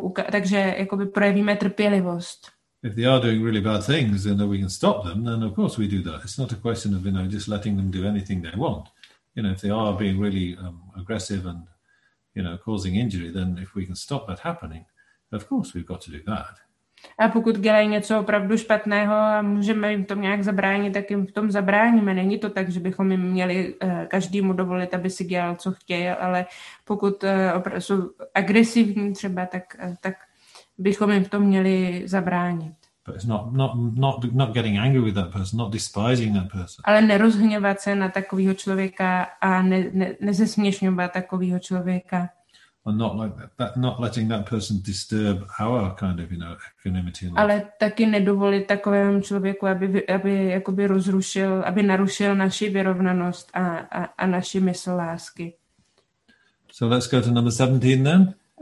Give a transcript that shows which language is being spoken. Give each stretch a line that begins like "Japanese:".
Czech: Takže jakoby projevíme trpělivost.
English: If they are doing really bad things and that we can stop them, then of course we do that. It's not a question of, you know, just letting them do anything they want. You know, if they are being really aggressive and, you know, causing injury, then if we can stop that happening, of course we've got to do that.
Czech: A pokud dělají něco opravdu špatného a můžeme jim v tom nějak zabránit, tak jim v tom zabráníme. Není to tak, že bychom jim měli každému dovolit, aby si dělal, co chtěl, ale pokud jsou agresivní třeba, tak bychom jim v tom měli zabránit.
English: But it's not getting angry with that person, not despising that person.
Czech: Ale nerozhněvat se na takového člověka a nezesměšňovat takového člověka.
English: And not like that, not letting that person disturb our kind of, you know, equanimity.
Czech: Ale taky nedovolit takovému člověku, aby jakoby rozrušil, aby narušil naši vyrovnanost a naši mysl lásky.
English: So let's go to number 17 then.